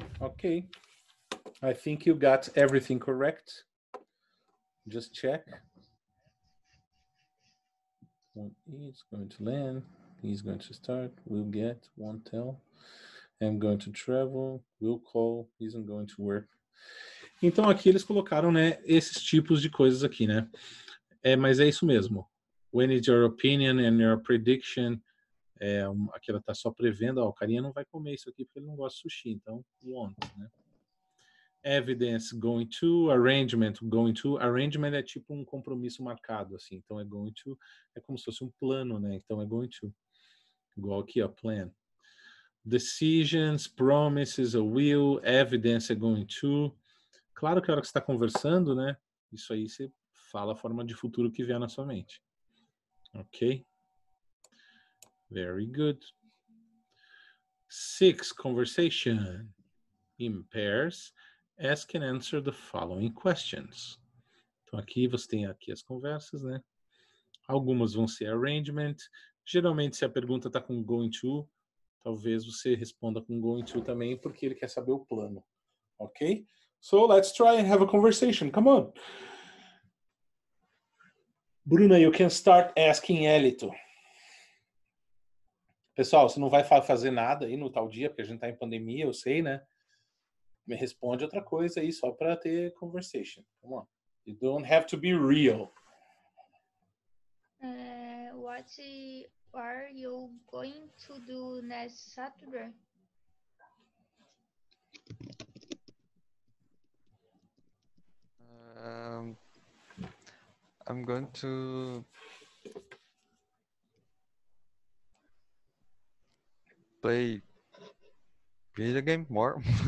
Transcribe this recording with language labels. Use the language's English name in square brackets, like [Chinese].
[English] Okay. I think you got everything correct. Just check. It's going to land. He's going to start, will get, won't tell. I'm going to travel, will call, isn't going to work. [Portuguese] Então, aqui eles colocaram, né, esses tipos de coisas aqui, né? É, mas é isso mesmo. [English] When is your opinion and your prediction? [Portuguese] É, aquela tá só prevendo, ó, o carinha não vai comer isso aqui porque ele não gosta de sushi, então, won't, né? Evidence, going to, arrangement, going to. Arrangement é tipo um compromisso marcado, assim. Então, é going to, é como se fosse um plano, né? Então, é going to. Igual aqui, ó, plan. [English] decisions, promises, a will, evidence are going to. [Portuguese] Claro que a hora que você está conversando, né? Isso aí você fala a forma de futuro que vier na sua mente. [English] Ok? Very good. Six, conversation. In pairs, ask and answer the following questions. [Portuguese] Então aqui você tem aqui as conversas, né? Algumas vão ser arrangement. Geralmente, se a pergunta está com going to, talvez você responda com going to também, porque ele quer saber o plano. [English] Ok? So, let's try and have a conversation. Come on. Bruna, you can start asking Elito. [Portuguese] Pessoal, você não vai fazer nada aí no tal dia, porque a gente está em pandemia, eu sei, né? Me responde outra coisa aí, só para ter conversation. [English] Come on. You don't have to be real. What are you going to do next Saturday? I'm going to play video game more.